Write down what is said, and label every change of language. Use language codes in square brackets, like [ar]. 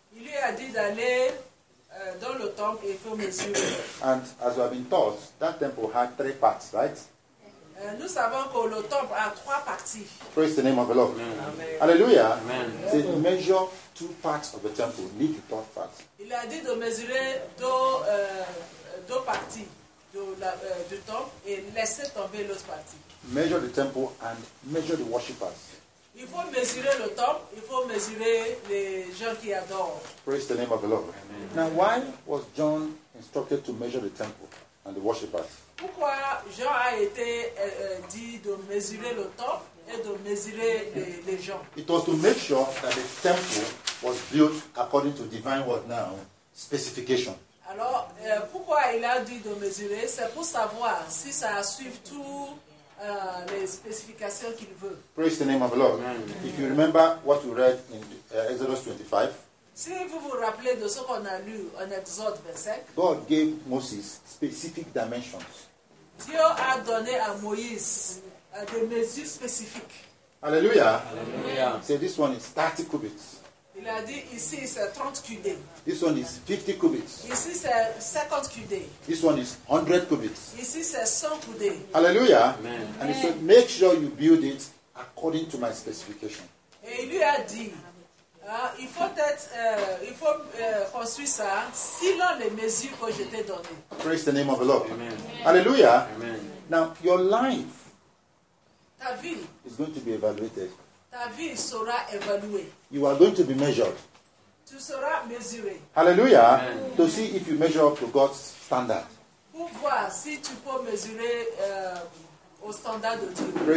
[fr] Il lui a dit d'aller dans le temple et faut mesurer. [en] And as we have been taught, that temple had three parts, right? [fr] Nous savons que le temple a trois parties. [en] Praise the name of the Lord. Amen. Hallelujah. Amen. They measure two parts of the temple, leave the third part. [fr] Il a dit de mesurer deux parties du temple et laisser tomber l'autre partie. [en] Measure the temple and measure the worshippers. [fr] Il faut mesurer le temple, il faut mesurer les gens qui adorent. [en] Praise the name of the Lord. Amen. Now, why was John instructed to measure the temple and the worshippers? [fr] Pourquoi Jean a été dit de mesurer le temple et de mesurer les gens? [en] It was to make sure that the temple was built according to divine word now, specification. [fr] Alors, pourquoi il a dit de mesurer? C'est pour savoir si ça suit tout les spécifications qu'il veut. [en] Praise the name of the Lord. Amen. If you remember what you read in Exodus 25, [fr] si vous vous rappelez de ce qu'on a lu en Exode 25, [en] God gave Moses specific dimensions. [fr] Dieu a donné à Moïse des mesures spécifiques. Hallelujah. Hallelujah. [en] So this one is 30 cubits. [fr] Il a dit ici c'est 30 cubits. [en] This one is 50 cubits. [fr] Ici c'est 50 cubits. [en] This one is 100 cubits. [fr] Ici c'est 100 cubits. Hallelujah. Amen. [en] And he said, make sure you build it according to my specification. [fr] Et il lui a dit, il faut construire ça selon les mesures que je t'ai données. [en] Praise the name of the Lord. Amen. Hallelujah. Amen. Now your life, [fr] ta vie, [en] is going to be evaluated. [fr] Ta vie sera évaluée. [en] You are going to be measured. [fr] Tu seras mesuré. Hallelujah. Amen. [en] To see if you measure up to God's standard. [fr] Pour voir si tu peux mesurer au standard de Dieu.